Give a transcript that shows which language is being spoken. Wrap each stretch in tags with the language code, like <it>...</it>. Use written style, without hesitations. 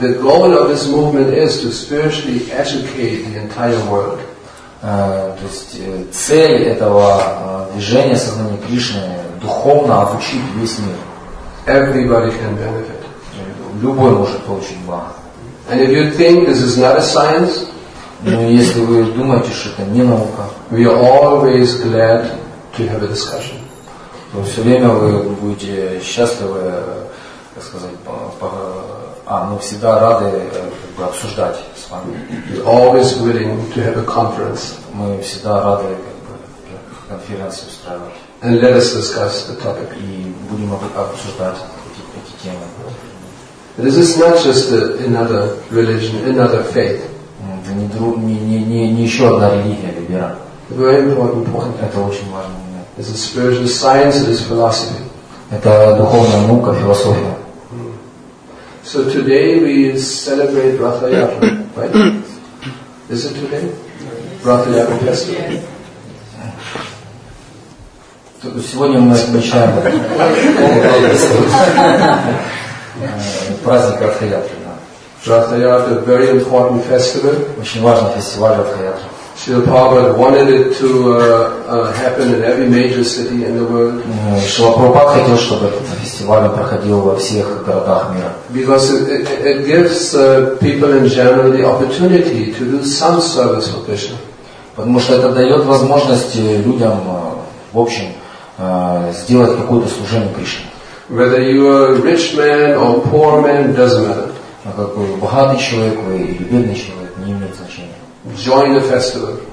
<en>The goal of this movement is to spiritually educate the entire world.</en> <ru>То есть цель этого движения сознания Кришны духовно обучить весь мир.</ru> <en>Everybody can benefit.</en> <ru>Любой может получить благо.</ru> <en>And if you think this is not a science,</en> <ru>но если вы думаете, что это не наука,</ru> <en>we are always glad to have a discussion.</en> <ru>То все время вы будете счастливы. Как сказать, мы всегда рады обсуждать с вами.</ru> <en>We're always willing to have a conference.</en> <ru>Мы всегда рады конференцию устраивать.</ru> <en>And let us discuss the topic.</en> <ru>И будем обсуждать эти темы.</ru> <en>This is not just another religion, another faith.</en> <ru>Не еще одна религия или вера.</ru> <en>Very important point.</en> <ru>Это очень важный момент.</ru> <en>This is spiritual science, it is philosophy.</en> <ru>Это духовная наука, философия.</ru> <en>So today we celebrate Ratha Yatra, right? Is it today? Ratha Yatra festival.</en> <ru>Сегодня мы отмечаем праздник Ратха Ятры.</ru> <en>Ратха Ятра, very important festival.</en> <ru>Очень важный фестиваль Ратха Ятра.</ru> <en>Srila Prabhupada wanted it to happen in every major city in the world.</en> <ru>Srila Prabhupada хотел, чтобы этот фестиваль проходил во всех городах мира.</ru> <en>Because it gives people in general the opportunity to do some service for Krishna.</en> <ru>Потому что это дает возможность людям в общем сделать какое-то служение Кришне.</ru> <en>Whether you are a rich man or a poor man, doesn't matter.</en> <ru>А какой богатый человек вы или бедный человек, не имеет значения.</ru> <en>Join the festival.</en>